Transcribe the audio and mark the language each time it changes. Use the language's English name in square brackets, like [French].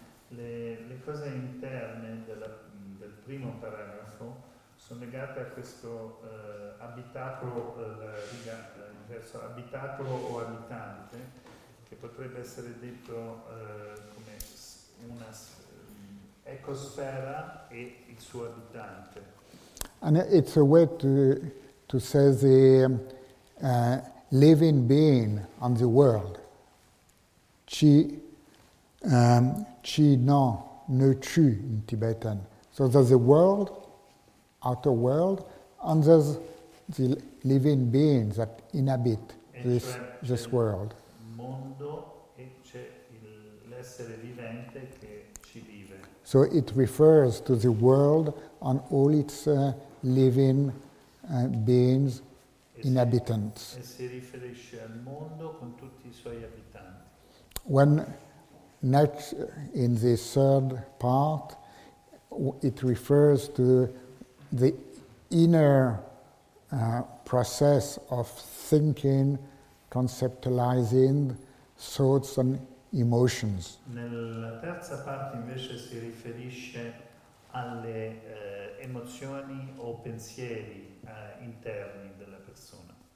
[Italian] Le cose interne del primo paragrafo sono legate a questo abitato, verso abitato o abitante, che potrebbe essere detto come una ecosfera e il suo abitante. [English] And it's a way to say the living being on the world. [Tibetan] Chi no, ne chu [English] in Tibetan. So there's a world, outer world, and there's the living being that inhabit this world. [Italian] Mondo e c'è l'essere vivente che ci vive. [English] So it refers to the world and all its living beings, inhabitants. [Italian] E si riferisce al mondo con tutti I suoi abitanti. [English] When next in the third part, it refers to the inner process of thinking, conceptualizing thoughts and emotions. [Italian] Nella terza parte invece si riferisce alle emozioni o pensieri interni della persona.